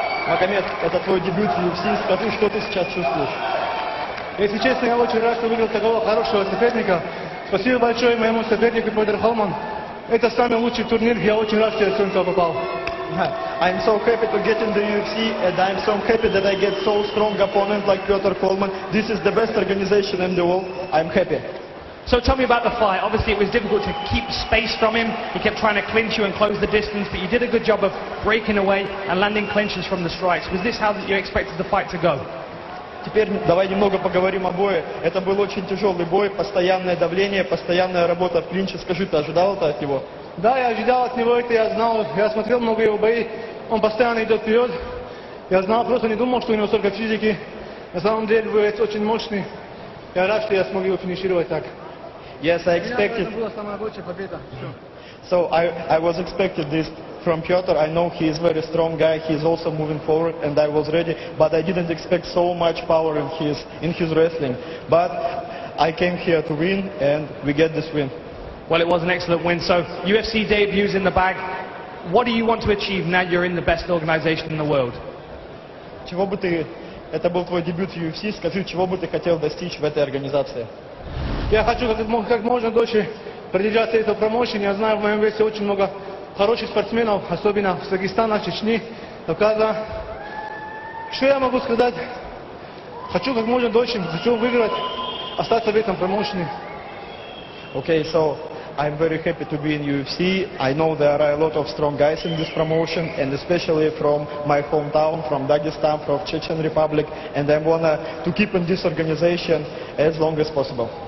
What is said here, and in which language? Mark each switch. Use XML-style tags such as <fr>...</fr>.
<ru>Магомед, это твой дебют в UFC. Скажи, что ты сейчас чувствуешь? Если честно, я очень рад, что выиграл такого хорошего соперника. Спасибо большое моему сопернику Петр Холман. Это самый лучший турнир. Я очень рад, что я сюда попал.</ru> <en>I'm so happy to get in the UFC, and I'm so happy that I get so strong opponent like Piotr Hallmann. This is the best organization in the world. I'm happy. So tell me about the fight. Obviously, it was difficult to keep space from him. He kept trying to clinch you and close the distance, but you did a good job of breaking away and landing clinches from the strikes. Was this how you expected the fight to go?</en> <ru>Теперь давай немного поговорим о бое. Это был очень тяжелый бой, постоянное давление, постоянная работа в клинче. Скажи, ты ожидал это от него? Да, я ожидал от него это, я знал, я смотрел много его бои, он постоянно идет вперед, я знал, просто не думал, что у него столько физики, на самом деле боец очень мощный, я рад, что я смог его финишировать так.</ru> <en>Yes, I expected. So I was expected this from Piotr. I know he is very strong guy, he is also moving forward, and I was ready, but I didn't expect so much power in his wrestling, but I came here to win, and we get this win. Well, it was an excellent win. So, UFC debut's in the bag. What do you want to achieve now you're in the best organization in the world?</en> <ru>Чего бы ты, это был твой дебют в UFC, скажи, чего бы ты хотел достичь в этой организации? Я хочу как можно дольше продержаться этого промоушена. Я знаю, в моем весе очень много хороших спортсменов, особенно в Дагестане, Чечне, Кавказе. Что я могу сказать? Хочу как можно дольше, хочу выиграть, остаться в этом промоушене.</ru> <en>Okay, so I'm very happy to be in UFC. I know there are a lot of strong guys in this promotion, and especially from my hometown, from Dagestan, from Chechen Republic, and I want to keep in this organization as long as possible.</en>